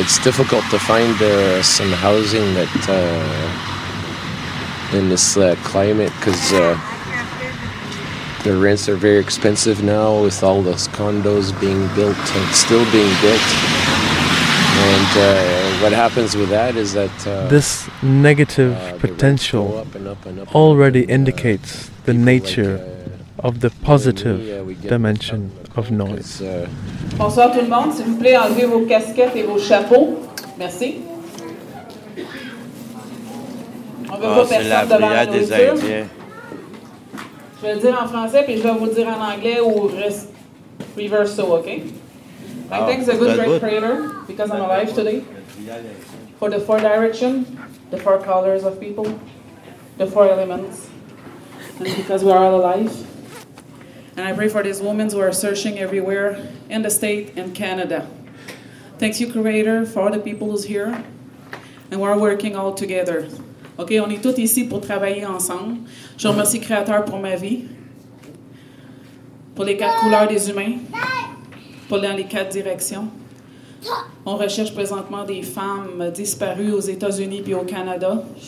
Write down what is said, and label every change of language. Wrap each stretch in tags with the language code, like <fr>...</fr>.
<en>it's difficult to find some housing that in this climate, because the rents are very expensive now with all those condos being built and still being built. And what happens with that is that this negative potential already indicates the nature of the positive dimension of noise.</en> <fr>Bonsoir tout le monde, s'il vous plaît, enlevez vos casquettes et vos chapeaux. Merci. On veut pas personne devant la nourriture. Des Haïtiens. Je vais le dire en français, puis je vais vous le dire en anglais ou reverso, OK?</fr> <en>I think it's a good great prayer, because I'm alive today. For the four directions, the four colors of people, the four elements, and because we are all alive. And I pray for these women who are searching everywhere in the state and Canada. Thank you, Creator, for all the people who's here, and we're working all together.</en> <fr>OK, on est tous ici pour travailler ensemble. Je remercie Créateur pour ma vie, pour les quatre couleurs des humains, pour dans les quatre directions. On recherche présentement des femmes disparues aux États-Unis puis au Canada.</fr>